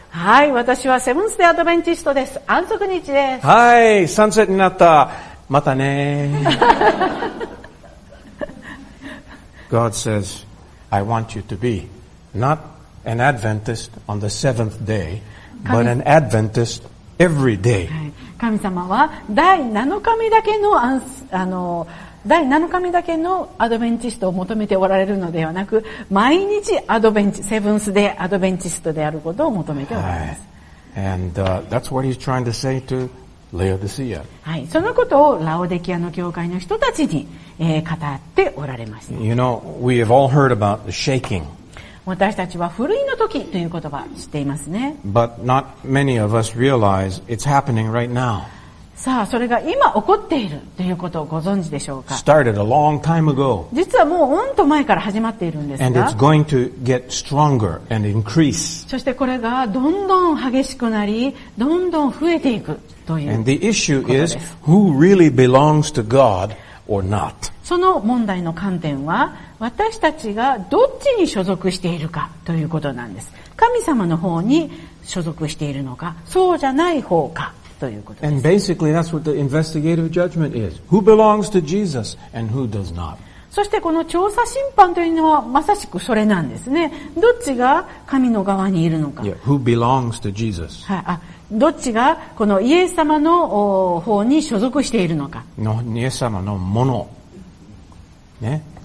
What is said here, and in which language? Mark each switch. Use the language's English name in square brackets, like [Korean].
[Japanese] はい、私はセブンスデーアドベンチストです。安息日です。はい、サンセットになった。またね。 [English] God says, I want you to be not an Adventist on the seventh day, but an Adventist every day. [Japanese] 神様は第7日目だけの第7日目だけのアドベンチストを求めておられるのではなく、毎日アドベンチ、セブンスデーアドベンチストであることを求めております。はい、 [English] And that's what he's trying to say to Laodicea. [Japanese] はい、そのことをラオデキアの教会の人たちに、語っておられました。 [English] You know, we have all heard about the shaking. [Japanese] 私たちは震いの時という言葉を知っていますね。 [English] But not many of us realize it's happening right now. [Japanese] さあ、それが今起こっているということをご存知でしょうか? [English] Started a long time ago. [Japanese] 実はもううんと前から始まっているんですが。 [English] And it's going to get stronger and increase. [Japanese] そしてこれがどんどん激しくなり、どんどん増えていくということです。 [English] And the issue is who really belongs to God or not. [Japanese] その問題の観点は、私たちがどっちに所属しているかということなんです。神様の方に所属しているのか、そうじゃない方か。 [English] And basically, that's what the investigative judgment is. Who belongs to Jesus and who does not? [Japanese] そしてこの調査審判というのはまさしくそれなんですね。どっちが神の側にいるのか。 [English] Yeah, who belongs to Jesus? [Japanese] はい。あ、どっちがこのイエス様の方に所属しているのか。のイエス様のもの。ね。